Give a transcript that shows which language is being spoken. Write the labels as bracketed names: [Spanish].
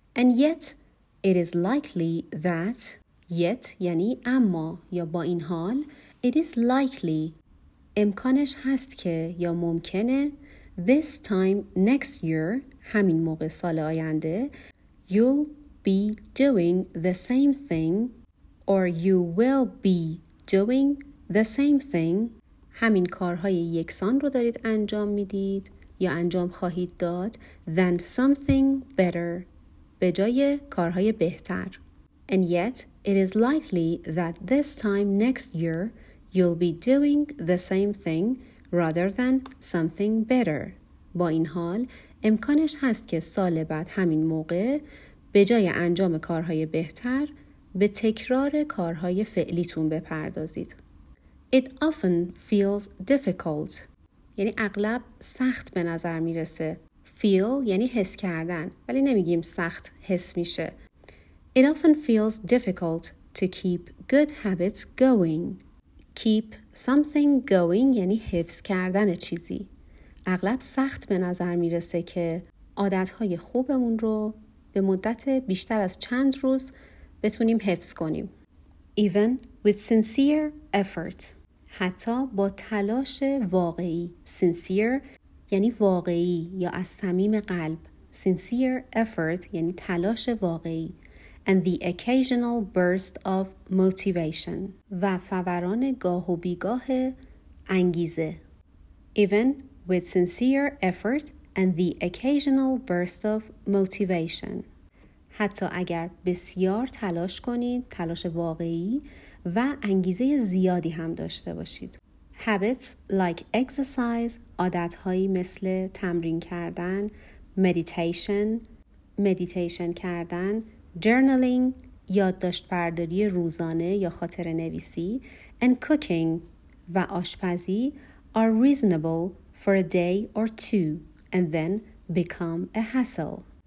[English] And yet it is likely that، yet [Persian] یعنی اما یا با این حال، [English] it is likely، [Persian] امکانش هست که یا ممکنه، [English] this time next year، [Persian] همین موقع سال آینده، [English] you'll be doing the same thing or you will be doing the same thing، [Persian] همین کارهای یکسان رو دارید انجام میدید یا انجام خواهید داد [English] than something better [Persian] به جای کارهای بهتر. [English] And yet, it is likely that this time next year you'll be doing the same thing rather than something better. [Persian] با این حال، امکانش هست که سال بعد همین موقع به جای انجام کارهای بهتر به تکرار کارهای فعلیتون بپردازید. [English] It often feels difficult. [Persian] یعنی اغلب سخت به نظر میرسه. Feel یعنی حس کردن. ولی نمیگیم سخت حس میشه. [English] It often feels difficult to keep good habits going. Keep something going [Persian] یعنی حفظ کردن چیزی. اغلب سخت به نظر میرسه که عادتهای خوبمون رو به مدت بیشتر از چند روز بتونیم حفظ کنیم. [English] Even with sincere effort. [Persian] حتی با تلاش واقعی. Sincere یعنی واقعی یا از صمیم قلب. [English] Sincere effort [Persian] یعنی تلاش واقعی. [English] And the occasional burst of motivation. [Persian] و فوران گاه و بیگاه انگیزه. [English] Even with sincere effort and the occasional burst of motivation. [Persian] حتی اگر بسیار تلاش کنید، تلاش واقعی و انگیزه زیادی هم داشته باشید. [English] Habits like exercise، [Persian] عادتهایی مثل تمرین کردن، [English] meditation کردن، journaling، [Persian] یادداشت برداری روزانه یا خاطره نویسی، [English] and cooking [Persian] و آشپزی [English] are reasonable for a day or two and then become a hassle.